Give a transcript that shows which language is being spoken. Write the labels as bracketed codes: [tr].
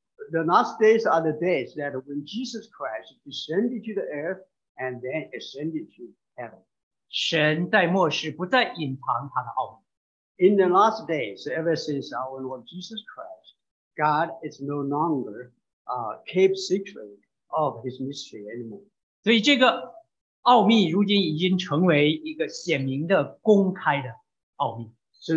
[en] The last days are the days that when Jesus Christ descended to the earth and then ascended to heaven. [zh] 神在末世不再隐藏他的奥秘。 [en] In the last days, ever since our Lord Jesus Christ, God is no longer keep secret of his mystery anymore. [zh] 所以这个奥秘如今已经成为一个显明的公开的奥秘。 [en] So